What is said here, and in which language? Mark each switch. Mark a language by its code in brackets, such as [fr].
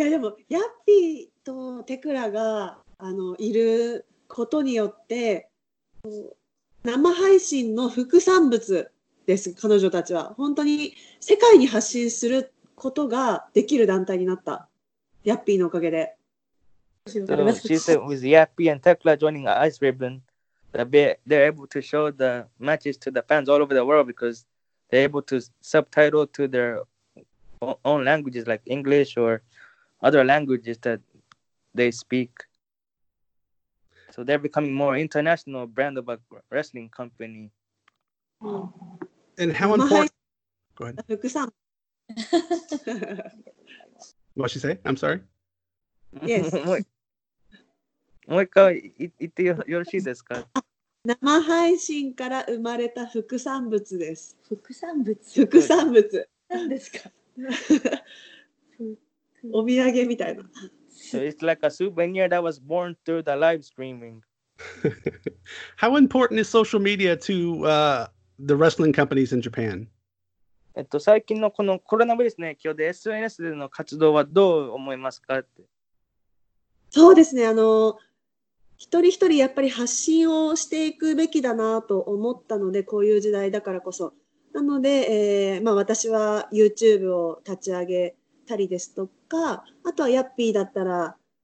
[ja] いやでも、ヤッピーとテクラがいることによって、生配信の副産物です、彼女たちは。本当に世界に発信する。ことができる団体になった。ヤッピーのおかげで。 [en] So, she said with Yappy and Tekla joining Ice Ribbon, they're able to show the matches to the fans all over the world because they're able to subtitle to their own languages like English or other languages that they speak. So they're becoming more international brand of a wrestling company. And how important? Go ahead. [ja] 福さん。 [en] What she say? I'm sorry. Yes. [ja] もう一回言ってよろしいですか。生配信から生まれた副産物です。副産物。副産物。何ですか。お土産みたいな。 [en] So it's like a souvenir that was born through the live streaming. How important is social media to the wrestling companies in Japan? [ja] 最近のこのコロナウイルスの影響で SNS での活動はどう思いますかって。そうですね、一人一人やっぱり発信をしていくべきだなと思ったので、こういう時代だからこそなので、私は YouTube を立ち上げたりですとか、あとはヤッピーだったら